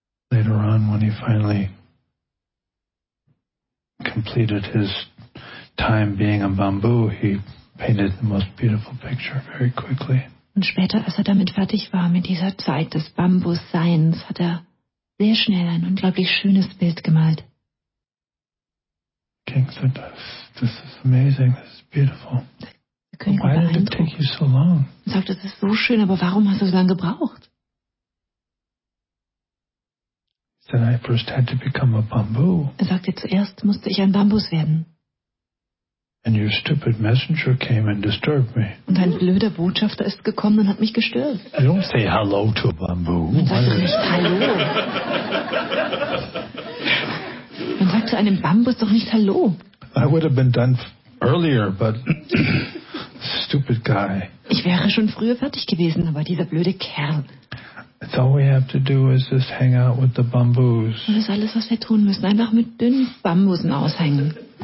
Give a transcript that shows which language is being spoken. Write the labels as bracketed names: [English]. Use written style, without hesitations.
[English] Later on, when he finally completed his time being a bamboo, he painted the most beautiful picture very quickly. [German] Und später, als er damit fertig war, mit dieser Zeit des Bambusseins, hat er sehr schnell ein unglaublich schönes Bild gemalt. [English] King said, this is amazing, this is beautiful. [German] Der König war beeindruckt. [English] Why did it take you so long? [German] Er sagte, das ist so schön, aber warum hast du so lange gebraucht? [English] Then I first had to become a bamboo. [German] Er sagte, zuerst musste ich ein Bambus werden. [English] And your stupid messenger came and disturbed me. [German] Und ein blöder Botschafter ist gekommen und hat mich gestört. [English] I don't say hello to a bamboo. [German] Man sagt nicht hallo. Man sagt zu einem Bambus doch nicht hallo. [English] I would have been done earlier, but stupid guy. [German] Ich wäre schon früher fertig gewesen, aber dieser blöde Kerl. [English] It's all we have to do is just hang out with the bamboos. [German] Das ist alles, was wir tun müssen, einfach mit dünnen Bambusen aushängen.